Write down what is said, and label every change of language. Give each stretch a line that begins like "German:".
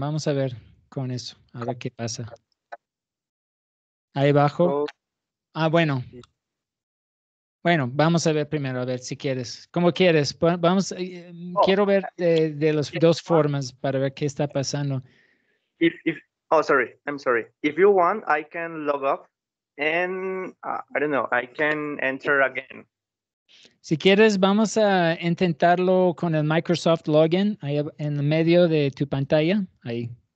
Spanish: Vamos a ver con eso, a ver qué pasa. Ahí abajo. Oh. Ah, bueno. Bueno, vamos a ver primero, a ver si quieres. Como quieres, vamos, quiero ver de las dos formas para ver qué está pasando.
English: I'm sorry. If you want, I can log off and, I don't know, I can enter again.
Spanish: Si quieres, vamos a intentarlo con el Microsoft login ahí en el medio de tu pantalla, ahí.